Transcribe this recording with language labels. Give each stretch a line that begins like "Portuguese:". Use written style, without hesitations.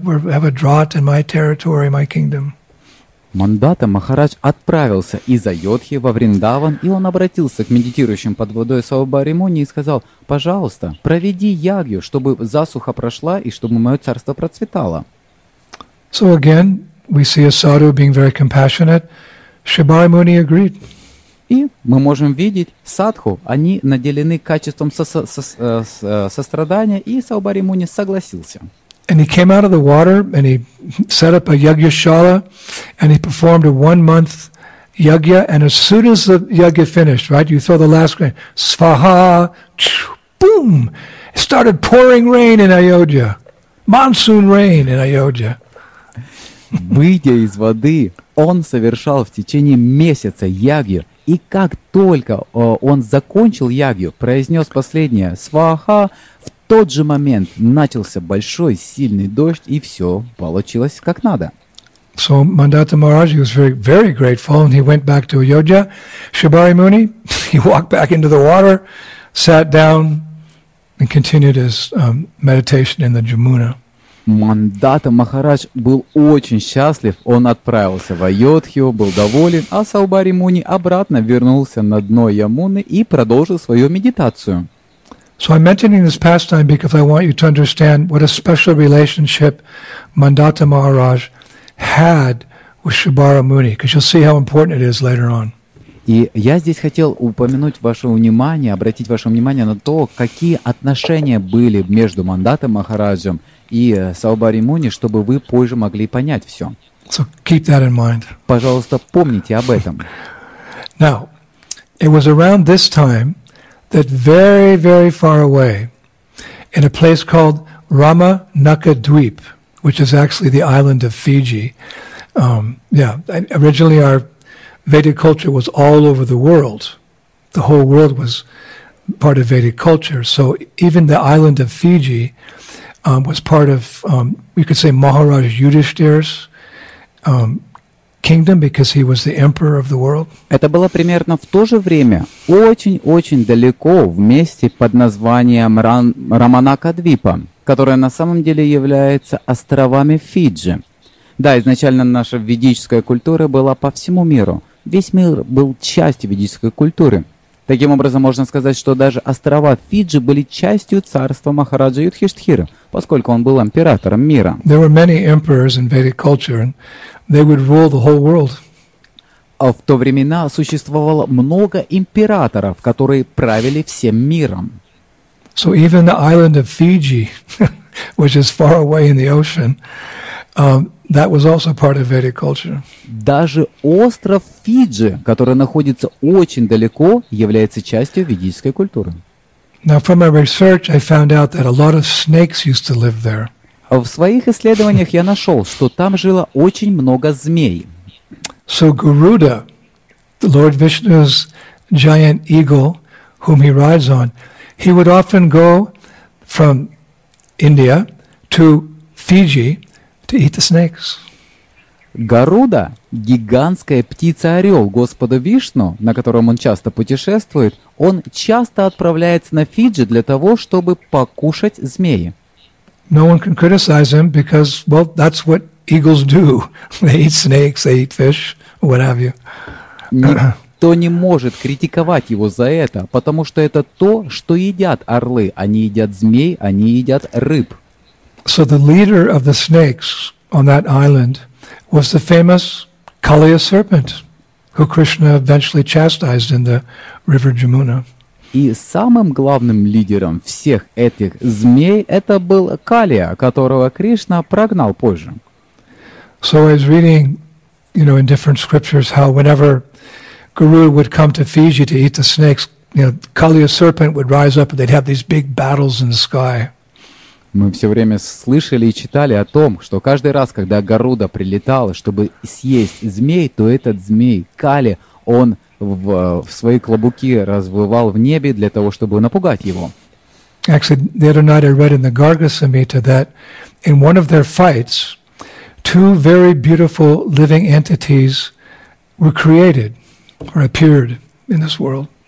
English: We have a drought in my territory, my kingdom."
Russian: Мандата Махарадж отправился из Айодхи во Вриндаван, и он обратился к медитирующим под водой Саубари Муни и сказал, "Пожалуйста, проведи ягью, чтобы засуха прошла и чтобы мое царство процветало."
English: So again, we see a sadhu being very compassionate. Shibari Muni agreed.
Russian: И мы можем видеть садху, они наделены качеством сострадания, и Саубари Муни согласился.
English: And he came out of the water and he set up a yagyashala and he performed a 1-month yagya, and as soon as the yagya finished, right, you throw the last grain, svaha, boom, it started pouring rain in Ayodhya. Monsoon rain in Ayodhya.
Russian: Выйдя из воды, он совершал в течение месяца ягью, И как только он закончил ягью, произнес последнее сваха, в тот же момент начался большой сильный дождь, и все получилось как надо.
English: So Mandata Maharaj, he was very, very grateful, and he went back to Ayodhya. Shibari Muni, he walked back into the water, sat down, and continued his meditation in the Jamuna.
Russian: Мандата Махарадж был очень счастлив. Он отправился в Айодхью, был доволен, а Саубари Муни обратно вернулся на дно Ямуны и продолжил свою медитацию.
English: So I'm mentioning this pastime because I want you to understand what a special relationship Mandata Maharaj had with Shibari Muni, because you'll see how important it is later on.
Russian: И я здесь хотел упомянуть ваше внимание, обратить ваше внимание на то, какие отношения были между Мандатой Махараджем и Саубари Муни, чтобы вы позже могли понять все.
English: So keep that in mind.
Russian: Пожалуйста, помните об этом.
English: Now, it was around this time that very, very far away, in a place called Ramanaka Dweep, which is actually the island of Fiji, originally our Vedic culture was all over the world. The whole world was part of Vedic culture. So even the island of Fiji was part of, you could say, Maharaj Yudhishthira's kingdom, because he was the emperor of the world.
Russian: Это было примерно в то же время, очень-очень далеко, в месте под названием Раманакадвипа, которое на самом деле является островами Фиджи. Да, изначально наша ведическая культура была по всему миру. Весь мир был частью ведической культуры. Таким образом, можно сказать, что даже острова Фиджи были частью царства Махараджа Юдхиштхира, поскольку он был императором мира.
English: There were many emperors in Vedic culture, and they would rule the whole world.
Russian: А в то времена существовало много императоров, которые правили всем миром.
English: So even the island of Fiji, which is far away in the ocean, that was also part of Vedic culture.
Russian: Даже остров Фиджи, который находится очень далеко, является частью ведической культуры.
English: Now, from my research, I found out that a lot of snakes used to live there.
Russian: В своих исследованиях я нашел, что там жило очень много змей.
English: So Garuda, the Lord Vishnu's giant eagle, whom he rides on, he would often go from India to Fiji to eat the snakes.
Russian: Гаруда, гигантская птица-орел Господа Вишну, на котором он часто путешествует, он часто отправляется на Фиджи для того, чтобы покушать змеи.
English: No one can criticize him because, well, that's what eagles do. They eat snakes, they eat fish, what have you.
Russian: Никто не может критиковать его за это, потому что это то, что едят орлы. Они едят змей, они едят рыб.
English: So the leader of the snakes on that island was the famous Kaliya serpent, who Krishna eventually chastised in the river Jamuna.
Russian: И самым главным лидером всех этих змей это был Калия, которого Кришна прогнал позже.
English: So I was reading, you know, in different scriptures how whenever Guru would come to Fiji to eat the snakes, you know, Kaliya serpent would rise up and they'd have these big battles in the sky.
Russian: Мы все время слышали и читали о том, что каждый раз, когда Гаруда прилетал, чтобы съесть змей, то этот змей, Кали, он в свои клобуки развивал в небе для того, чтобы напугать его.
English: Actually, the other night I read in the Garga Samhita that in one of their fights, two very beautiful living entities were created or appeared in this world.